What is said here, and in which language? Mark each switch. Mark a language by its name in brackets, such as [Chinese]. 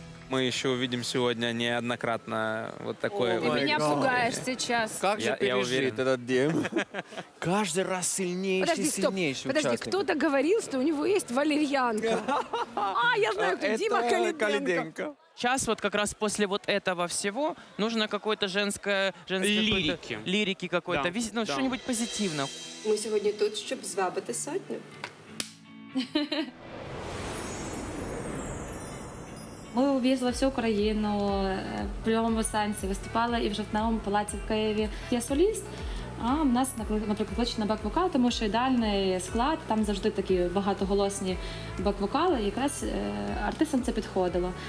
[Ukrainian] Ми ще увидимо сьогодні [Russian] неоднократно вот такое. [Ukrainian] Ти мене пугаєш зараз. Як же пережити цей день? Кожен раз сильніший, сильніший. [Russian] Подожди, [Ukrainian] хтось говорив, що у нього є валер'янка. А, я знаю, хто. Діма Каліденко. [Russian] Сейчас вот как раз после вот этого всего нужно какое-то женское лирики. Лирики какой-то. Да. Ну, да. Что-нибудь позитивное. Мы сегодня тут, чтобы [Ukrainian] звабити сотню. Ми увезли всю Україну в прямому сенсі, виступали і в Жовтневому палаці в Києві. Я соліст, а в нас, наприклад, кличуть на бек-вокал, тому що ідеальний склад, там завжди такі багатоголосні бек-вокали, якраз артистам це підходило.